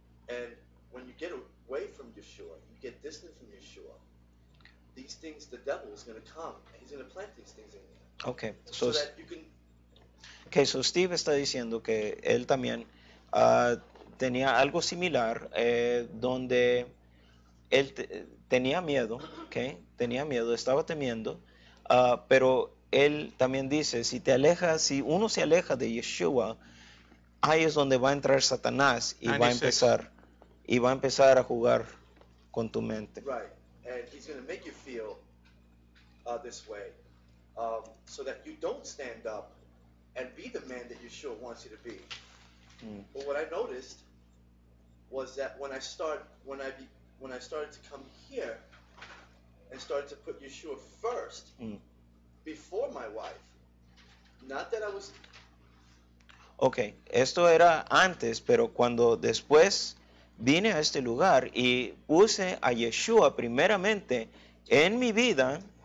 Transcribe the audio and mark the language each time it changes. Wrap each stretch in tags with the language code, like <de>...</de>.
<en>And when you get away from Yeshua, you get distant from Yeshua, these things, the devil is going to come, and he's going to plant these things in you. Okay, so</en> <es>Steve está diciendo que él también tenía algo similar donde. Él tenía miedo, ¿okay? Tenía miedo, estaba temiendo, pero él también dice, si uno se aleja de Yeshua, ahí es donde va a entrar Satanás y va a empezar, a jugar con tu mente.</es> <en>Right, and he's going to make you feel this way, so that you don't stand up and be the man that Yeshua wants you to be. Mm. But what I noticed was that when I started to come here and started to put Yeshua first before my wife, not that I was.</en> <es>Okay, esto era antes, pero cuando después vine a este lugar y puse a Yeshua primeramente en mi vida,</es>